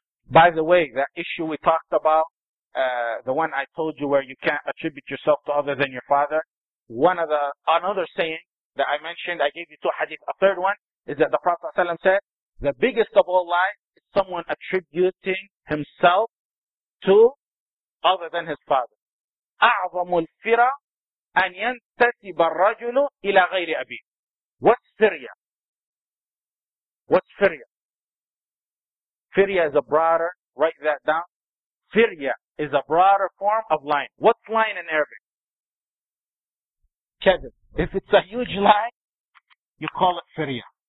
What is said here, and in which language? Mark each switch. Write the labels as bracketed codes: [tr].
[en] By the way, that issue we talked about, the one I told you where you can't attribute yourself to other than your father, another saying that I mentioned, I gave you two hadith. A third one is that the Prophet ﷺ said, the biggest of all lies is someone attributing himself to other than his father. [ar] أعظم الفرا أن ينتسب الرجل إلى غير أبيه. [en] What's firya? Firya is a broader, write that down. Firya is a broader form of lying. What's lying in Arabic? Kadhib. If it's a huge lie, you call it firya.